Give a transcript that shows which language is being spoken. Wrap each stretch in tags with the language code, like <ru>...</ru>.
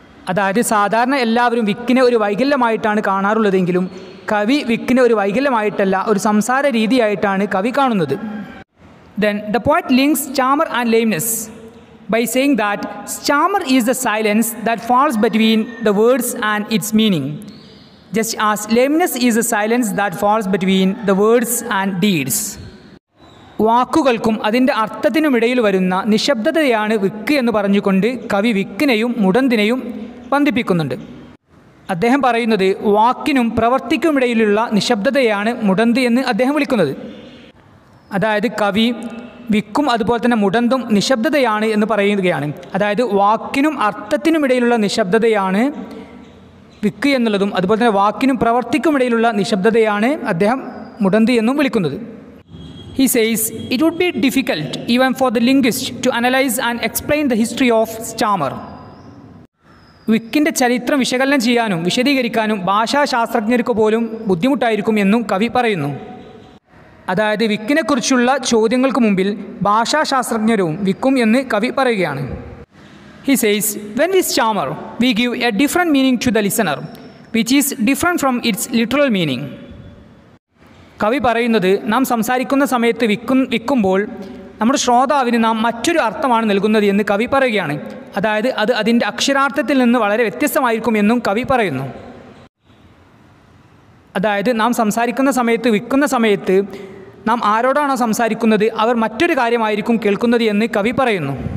<ml>അതായത് സാധാരണ എല്ലാവരും വിക്കിനെ ഒരു വൈകല്യമായിട്ടാണ് കാണാറുള്ളതെങ്കിലും കവി വിക്കിനെ ഒരു വൈകല്യമായിട്ടല്ല, ഒരു സംസാര രീതിയായിട്ടാണ് കവി കാണുന്നത്.</ml> <en>Then the poet links stammer and lameness by saying that stammer is the silence that falls between the words and its meaning. Just as lameness is a silence that falls between the words and deeds.</en> <ml>വാക്കുകൾക്കും അതിൻ്റെ അർത്ഥത്തിനുമിടയിൽ വരുന്ന നിശബ്ദതയാണ് വിക്ക് എന്ന് പറഞ്ഞുകൊണ്ട് കവി വിക്കിനെയും മുടന്തിനെയും വന്ദിപ്പിക്കുന്നുണ്ട്. അദ്ദേഹം പറയുന്നത് വാക്കിനും പ്രവൃത്തിക്കുമിടയിലുള്ള നിശബ്ദതയാണ് മുടന്ത് എന്ന് അദ്ദേഹം വിളിക്കുന്നത്. അതായത് കവി വിക്കും അതുപോലെ തന്നെ മുടന്തും നിശബ്ദതയാണ് എന്ന് പറയുകയാണ്. അതായത് വാക്കിനും അർത്ഥത്തിനുമിടയിലുള്ള നിശബ്ദതയാണ് വിക്ക് എന്നുള്ളതും അതുപോലെ തന്നെ വാക്കിനും പ്രവർത്തിക്കുമിടയിലുള്ള നിശബ്ദതയാണ് അദ്ദേഹം മുടന്ത് എന്നും വിളിക്കുന്നത്.</ml> <en>He says, it would be difficult even for the linguist to analyze and explain the history of stammer.</en> <ml>വിക്കിൻ്റെ ചരിത്രം വിശകലനം ചെയ്യാനും വിശദീകരിക്കാനും ഭാഷാശാസ്ത്രജ്ഞർക്ക് പോലും ബുദ്ധിമുട്ടായിരിക്കും എന്നും കവി പറയുന്നു. അതായത് വിക്കിനെക്കുറിച്ചുള്ള ചോദ്യങ്ങൾക്ക് മുമ്പിൽ ഭാഷാശാസ്ത്രജ്ഞരും വിക്കും എന്ന് കവി പറയുകയാണ്.</ml> <en>He says, when we stammer, we give a different meaning to the listener, which is different from its literal meaning.</en> <ml>കവി പറയുന്നത് നാം സംസാരിക്കുന്ന സമയത്ത് വിക്കുമ്പോൾ നമ്മുടെ ശ്രോതാവിന് നാം മറ്റൊരു അർത്ഥമാണ് നൽകുന്നത് എന്ന് കവി പറയുകയാണ്. അതായത് അത് അതിൻ്റെ അക്ഷരാർത്ഥത്തിൽ നിന്ന് വളരെ വ്യത്യസ്തമായിരിക്കും എന്നും കവി പറയുന്നു. അതായത് നാം സംസാരിക്കുന്ന സമയത്ത് വിക്കുന്ന സമയത്ത് നാം ആരോടാണോ സംസാരിക്കുന്നത് അവർ മറ്റൊരു കാര്യമായിരിക്കും കേൾക്കുന്നത് എന്ന് കവി പറയുന്നു.</ml>